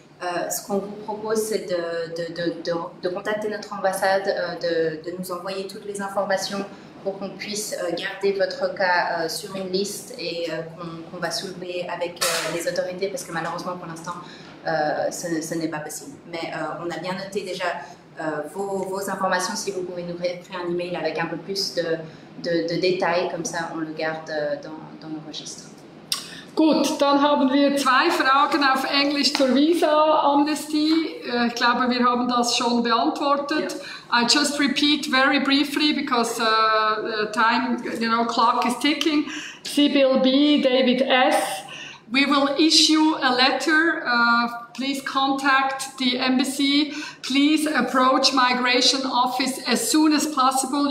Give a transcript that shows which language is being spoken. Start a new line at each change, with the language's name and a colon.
French: Ce qu'on vous propose, c'est de contacter notre ambassade, de nous envoyer toutes les informations pour qu'on puisse garder votre cas sur une liste et qu'on va soulever avec les autorités, parce que malheureusement pour l'instant ce n'est pas possible. Mais on a bien noté déjà vos informations, si vous pouvez nous réécrire un email avec un peu plus de détails, comme ça on le garde dans le registre.
German: Gut, dann haben wir zwei Fragen auf Englisch zur Visa-Amnestie. Ich glaube, wir haben das schon beantwortet. Yeah.
English: I just repeat very briefly, because time, you know, clock is ticking. Sibyl B., David S., we will issue a letter. Please contact the embassy. Please approach Migration Office as soon as possible.